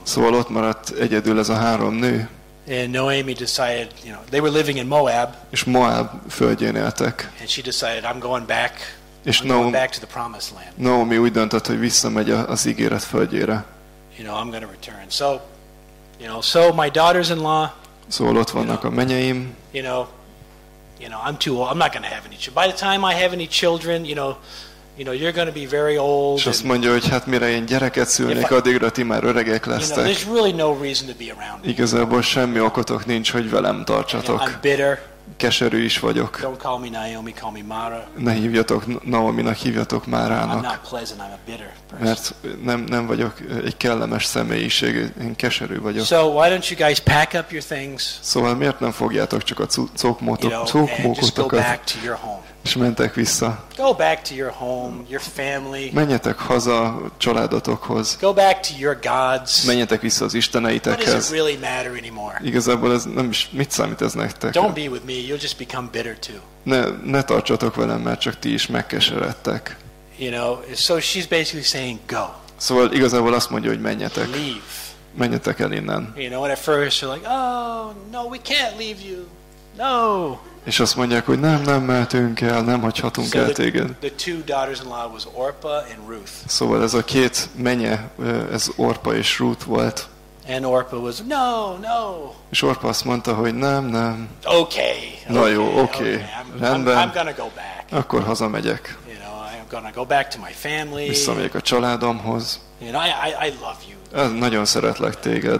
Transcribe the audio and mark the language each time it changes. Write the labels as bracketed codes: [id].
[hu] Szóval ott maradt egyedül ez a három nő. [en] And Naomi decided, you know, they were living in Moab. [hu] És Moab földjén éltek. [en] And she decided, I'm going back. [hu] És Naomi úgy döntött, hogy visszamegy az ígéret földjére. [en] You know, I'm going to return. So, you know, so my daughters-in-law. [hu] Szóval ott vannak a menyeim. [en] You know, I'm too old. I'm not going to have any children. By the time I have any children, you know, you're going to be very old. [hu] És azt mondja, hogy hát mire én gyereket szülnék, addigra ti már öregek lesztek. [en] You know, there's really no reason to be around. [hu] Igazából semmi okotok nincs, hogy velem tartsatok. [en] You know, I'm bitter. [hu] Keserű is vagyok. [en] Don't call me Naomi, call me Mara. [hu] Ne hívjatok Naominak, hívjatok Márának. [en] I'm not pleasant, I'm a bitter person. [hu] Mert nem vagyok egy kellemes személyiség, én keserű vagyok. [en] So why don't you guys pack up your things? [hu] Szóval miért nem fogjátok csak a cokmókotokat? És mentek vissza. [en] Go back to your home, your family. [hu] Menjetek haza a családotokhoz. [en] Go back to your gods. [hu] Menjetek vissza az isteneitekhez. [en] What does it really matter anymore? [hu] Igazából ez nem is mit számít ez nektek. [en] Don't be with me, you'll just become bitter too. [hu] Ne tartsatok velem, mert csak ti is megkeseredtek. [en] You know, so she's basically saying go. [hu] Szóval igazából azt mondja, hogy menjetek. [en] Leave. [hu] Menjetek el innen. [en] You know, and at first you're like, oh, no, we can't leave you. No. [hu] És azt mondják, hogy nem mehetünk el, nem hagyhatunk el téged. [en] The two daughters-in-law was Orpah and Ruth. [hu] Szóval ez a két menye, ez Orpah és Ruth volt. [en] And Orpah was no. [hu] És Orpah azt mondta, hogy nem. [en] Okay. [hu] Na jó, okay. Rendben. [en] I'm gonna go back. [hu] Akkor hazamegyek. [en] You know, I'm gonna go back to my family. [hu] Visszamegyek a családomhoz. [en] And I love you. [hu] Nagyon szeretlek téged.